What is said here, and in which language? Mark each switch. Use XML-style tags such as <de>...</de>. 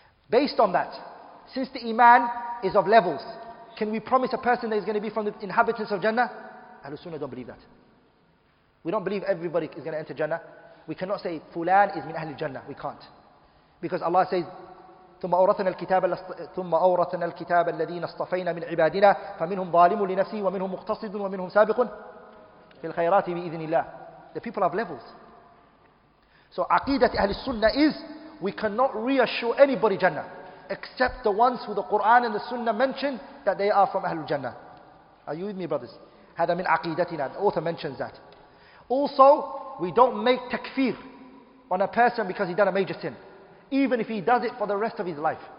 <en>Based on that, since the iman is of levels, can we promise a person that is going to be from the inhabitants of Jannah? Ahlul Sunnah don't believe that. We don't believe everybody is going to enter Jannah. We cannot say Fulan is min Ahlul Jannah. We can't. Because Allah says,</en> <ar>ثُمَّ أَوْرَثَنَا الْكِتَابَ الَّذِينَ اصْطَفَيْنَا مِنْ عِبَادِنَا فَمِنْهُمْ ظَالِمٌ لِنَفْسِهِ وَمِنْهُمْ مُقْتَصِدٌ وَمِنْهُمْ سَابِقٌ فِي الْخَيْرَاتِ بِإِذْنِ اللَّهِ.</ar> <en>The people have levels. So aqidat Ahlul Sunnah is, we cannot reassure anybody Jannah except the ones who the Quran and the Sunnah mention that they are from Ahlul Jannah. Are you with me, brothers?</en> <ar>هذا من عقيدتنا.</ar> <en>The author mentions that. Also, we don't make takfir on a person because he done a major sin, even if he does it for the rest of his life.</en>